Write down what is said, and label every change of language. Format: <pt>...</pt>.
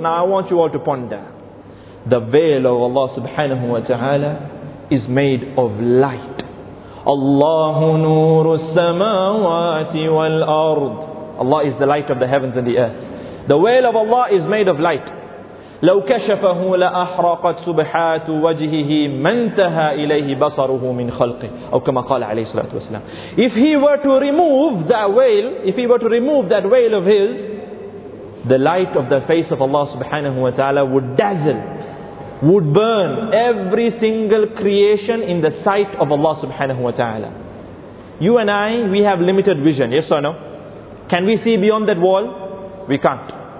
<en>Now I want you all to ponder. The veil of Allah subhanahu wa ta'ala is made of light.</en> <ar>اللَّهُ نُورُ السَّمَاوَاتِ وَالْأَرْضِ.</ar> <en>Allah is the light of the heavens and the earth. The veil of Allah is made of light.</en> <ar>لَوْ كَشَفَهُ لَأَحْرَقَتْ سُبْحَاتُ وَجْهِهِ مَنْتَهَا إِلَيْهِ بَصَرُهُ مِنْ خَلْقِهِ. أو كما قال عليه الصلاة والسلام.</ar> <en>If he were to remove that veil, if he were to remove that veil of his, the light of the face of Allah subhanahu wa ta'ala would dazzle, would burn every single creation in the sight of Allah subhanahu wa ta'ala. You and I, we have limited vision, yes or no? Can we see beyond that wall? We can't.</en>